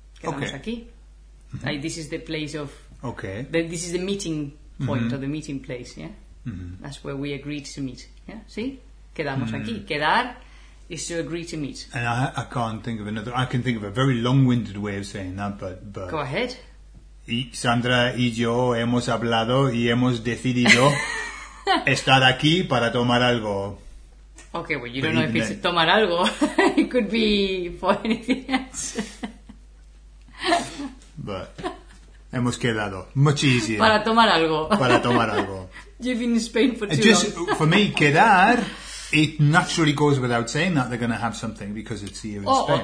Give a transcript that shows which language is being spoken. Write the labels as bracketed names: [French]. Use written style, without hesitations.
[Spanish] Quedamos aquí. [English] Mm-hmm. Like, this is the place of... Okay. This is the meeting point, mm-hmm. or the meeting place, yeah? Mm-hmm. That's where we agreed to meet, yeah? See? [Spanish] Quedamos mm-hmm. aquí. [English] Quedar is to agree to meet. And I can't think of another... I can think of a very long-winded way of saying that, but... Go ahead. [Spanish] Sandra y yo hemos hablado y hemos decidido... Estar aquí para tomar algo. [English] Okay, well, you don't know if it's [Spanish] tomar algo. [English] It could be for anything else. But [Spanish] hemos quedado. [English] Much easier. [Spanish] Para tomar algo. Para tomar algo. [English] You've been in Spain for too just, long. For me, quedar, it naturally goes without saying that they're going to have something because it's here in Spain.